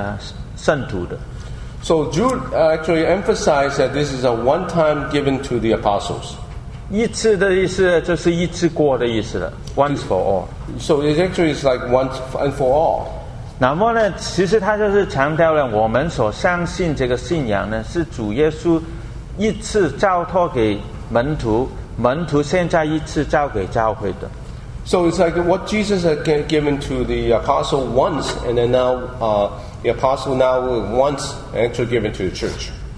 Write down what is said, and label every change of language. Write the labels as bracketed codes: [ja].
[zh] 所以呢，犹大强调呢，这个正道呢是一次教父给圣徒的。 [en] So Jude actually emphasized that this is a one-time given to the apostles. [zh] 一次的意思就是一次过的意思了， [en] once for all. So it actually is like once and for all. [zh] 那么呢，其实他就是强调了我们所相信这个信仰呢是主耶稣一次交托给。门徒现在一次交给教会的。 [en] So it's like what Jesus had given to the apostle once, and then now the apostle now once actually given to the church.